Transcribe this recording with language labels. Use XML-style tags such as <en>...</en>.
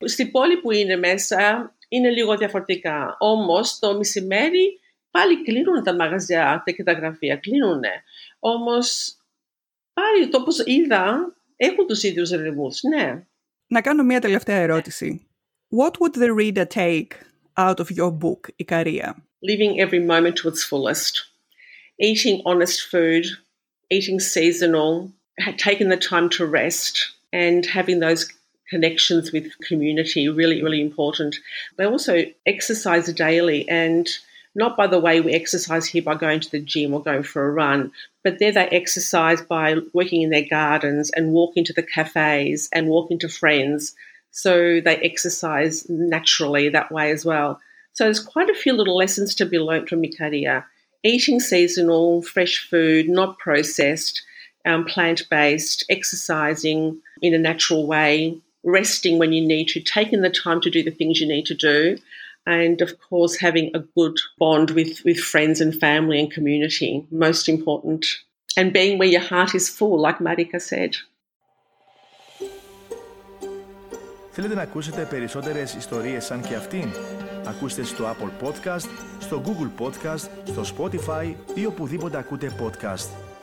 <el>Στην πόλη που είναι μέσα είναι λίγο διαφορετικά, όμως το μεσημέρι πάλι κλείνουν τα μαγαζιά και τα γραφεία, κλείνουν. Όμως, πάλι το όπως είδα, έχουν τους ίδιους ρυθμούς, ναι. Να κάνω μια τελευταία ερώτηση.</el> <en>What would the reader take out of your book, Ικαρία? Living every moment to its fullest. Eating honest food, eating seasonal, taking the time to rest and having those connections with community, really, really important. But also exercise daily and not by the way we exercise here by going to the gym or going for a run, but there they exercise by working in their gardens and walking to the cafes and walking to friends. So they exercise naturally that way as well. So there's quite a few little lessons to be learnt from Ikaria. Eating seasonal, fresh food, not processed, plant-based, exercising in a natural way, resting when you need to, taking the time to do the things you need to do, and of course having a good bond with friends and family and community, most important. And being where your heart is full, like Marika said.</en> <el>Θέλετε να ακούσετε περισσότερες ιστορίες σαν και αυτήν? Ακούστε στο Apple Podcast, στο Google Podcast, στο Spotify ή οπουδήποτε ακούτε podcast.</el>